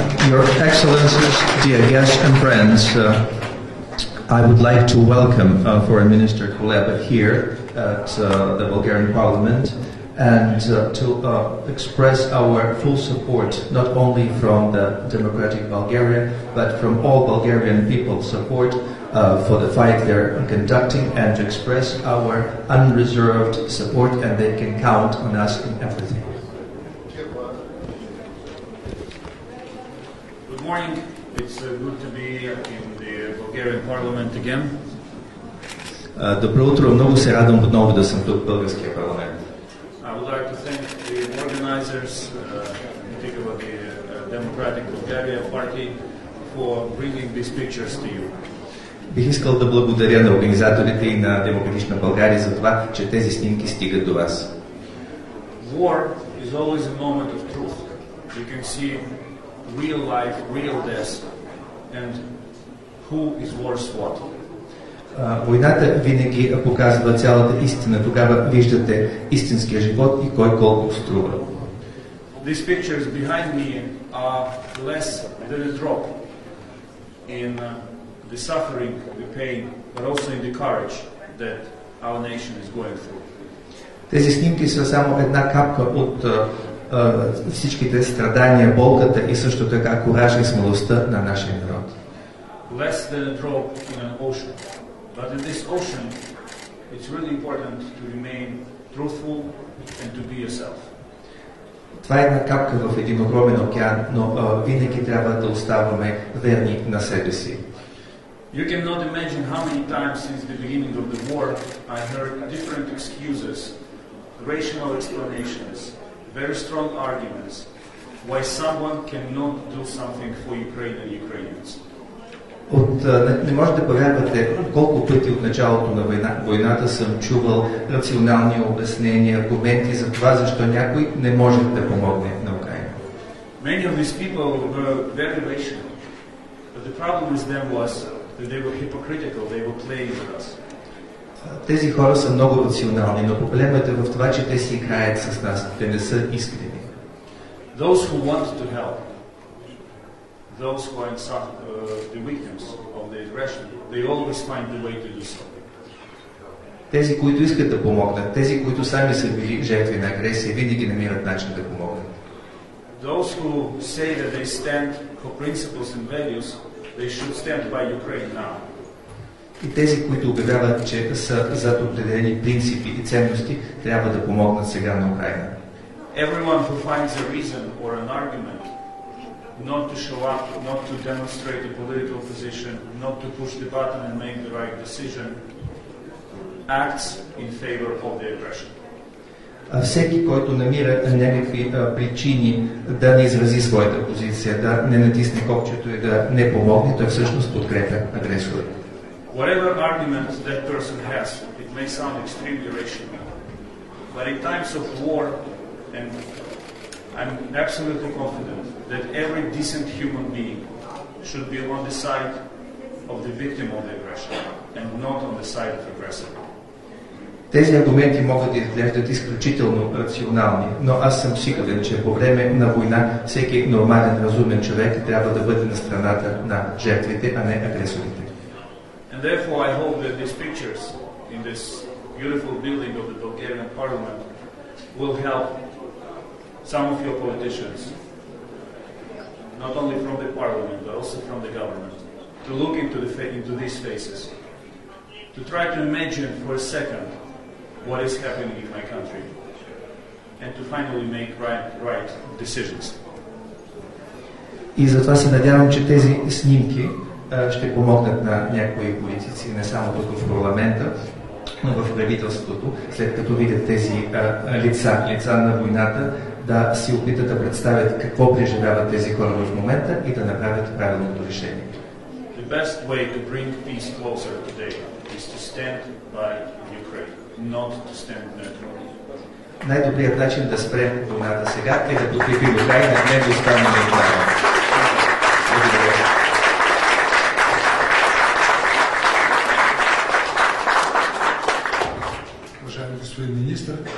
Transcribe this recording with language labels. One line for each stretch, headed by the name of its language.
English: Your Excellencies, dear guests and friends, I would like to welcome Foreign Minister Kuleba here at the Bulgarian Parliament and to express our full support not only from the Democratic Bulgaria but from all Bulgarian people support for the fight they're conducting and to express our unreserved support, and they can count on us in everything. Good morning. It's good to be in the Bulgarian Parliament again.
Bulgarian: Добро утро. Много се радвам отново да съм тук в българския парламент.
English: I would like to thank the organizers, particularly the Democratic Bulgaria Party, for bringing these pictures to you.
Bulgarian: Бих искал да благодаря на организаторите и на Демократична България за това, че тези снимки стигат до вас.
English: War is always a moment of truth. You can see real life, real death, and who is worse what.
Bulgarian: Войната винаги показва цялата истина. Тогава виждате истинския живот и кой колко струва.
English: These pictures behind me are less than a drop in the suffering, the pain, but also in the courage that our nation is going through.
Bulgarian: Тези снимки са само една капка от всичките страдания, болката и също така кураж и смелостта на нашия народ.
English: Less than a drop in an ocean. But in this ocean, it's really important to remain truthful and to be yourself.
Bulgarian: Това е една капка в един огромен океан, но винаги трябва да оставаме верни на себе си.
English: You cannot imagine how many times since the beginning of the war I heard different excuses, rational explanations, very strong arguments why someone cannot do something for Ukraine and Ukrainians.
Bulgarian: Не можете да повярвате колко пъти от началото на войната съм чувал рационални обяснения, аргументи за това защо някой не може да помогне на Украина.
English: Many of these people were very rational, but the problem with them was that they were hypocritical, they were playing with us.
Bulgarian: Тези хора са много рационални, но проблемът е в това, че те си играят с нас, те не са искрени.
English: Those who want to help, those who are in the weakness of the aggression, they always find the way to do something.
Bulgarian: Тези, които искат да помогнат, тези, които сами са били жертви на агресия, винаги намират начин да помогнат.
English: Those who say that they stand for principles and values, they should stand by Ukraine now.
Bulgarian: И тези, които обявяват, че са зад определени принципи и ценности, трябва да помогнат сега на Украина.
English: Everyone who finds a reason or an argument not to show up, not to demonstrate a political position, not to push the button and make the right decision, acts in favor of the aggression.
Bulgarian: Всеки, който намира някакви причини да не изрази своята позиция, да не натисне копчето и да не помогне, той всъщност подкрепя агресора.
English: Whatever argument that person has, it may sound extremely rational. But in times of war, and I'm absolutely confident that every decent human being should be on the side of the victim of the aggression and not on the side of the aggressor.
Bulgarian: Тези аргументи могат да изглеждат изключително рационални, но аз съм сигурен, че по време на война всеки нормален, разумен човек трябва да бъде на страната на жертвите, а не агресорите.
English: And therefore I hope that these pictures in this beautiful building of the Bulgarian Parliament will help some of your politicians, not only from the parliament, but also from the government, to look into these faces, to try to imagine for a second what is happening in my country, and to finally make right decisions.
Bulgarian: И затова се надявам, че тези снимки ще помогнат на някои политици, не само тук в парламента, но в правителството, след като видят тези лица на войната, да си опитат да представят какво преживяват тези хора в момента и да направят правилното решение.
English: The best way to bring peace closer today is to stand by Ukraine. Not to stand neutral.
Bulgarian: Най-добрият начин да спрем войната сега е да подкрепим Украйна, не да останем неутрални. Уважаеми господин министър,